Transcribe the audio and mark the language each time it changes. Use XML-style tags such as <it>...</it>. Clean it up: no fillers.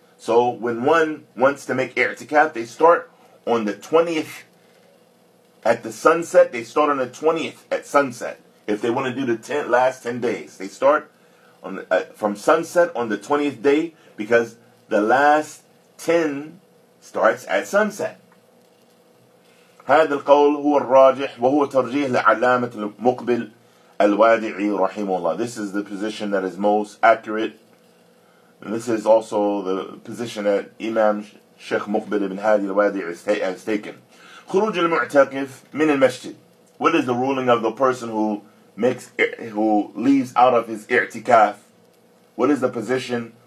<en>So when one wants to make i'tikaf, they start on the 20th at the sunset. They start on the 20th at sunset. If they want to do the last 10 days, they start on from sunset on the 20th day, because the last 10 starts at sunset.</en> <ar>هذا القول هو الراجح وهو ترجيح لعلامة المقبل الوادعي رحمه الله.</ar> <en>This is the position that is most accurate. And this is also the position that Imam Sheikh Muqbil ibn Hadi al-Wadi'i has taken.</en> <ar>خروج المعتكف من المسجد.</ar> <en>What is the ruling of the person who leaves out of his i'tikaf? What is the position?</en>